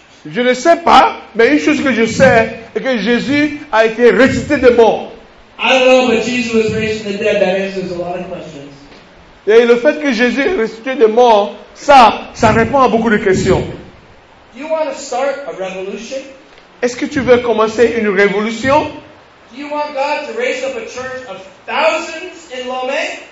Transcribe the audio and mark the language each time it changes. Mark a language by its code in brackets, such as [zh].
[fr] Je ne sais pas, mais une chose que je sais, c'est que Jésus a été ressuscité des morts. [en] I don't know, but Jesus was raised from the dead. That answers a lot of questions. [fr] Et le fait que Jésus est ressuscité des morts, ça répond à beaucoup de questions. [en] Do you want to start a revolution? [fr] Est-ce que tu veux commencer une révolution? [en] Do you want God to raise up a church of thousands in Lomé?